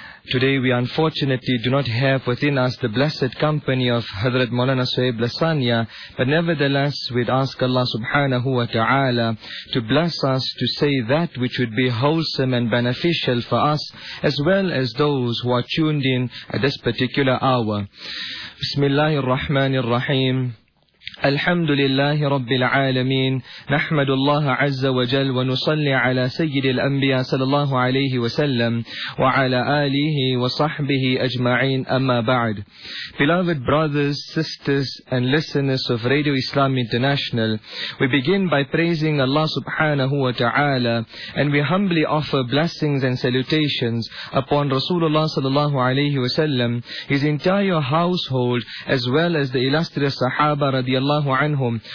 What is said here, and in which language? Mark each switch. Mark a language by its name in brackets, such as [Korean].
[English] Today we unfortunately do not have within us the blessed company of Hazrat Maulana Suhaib Lasania, but nevertheless we'd ask Allah subhanahu wa ta'ala to bless us to say that which would be wholesome and beneficial for us as well as those who are tuned in at this particular hour. Bismillahir Rahmanir Rahim. [Arabic] الحمد لله رب العالمين نحمد الله عز وجل ونصلي على سيد الأنبياء صلى الله عليه وسلم وعلى آله وصحبه أجمعين أما بعد. [English] Beloved brothers, sisters and listeners of Radio Islam International, we begin by praising Allah subhanahu wa ta'ala and we humbly offer blessings and salutations upon Rasulullah [Arabic] صلى الله عليه وسلم, [English] his entire household as well as the illustrious Sahaba رضي Allahu anhum.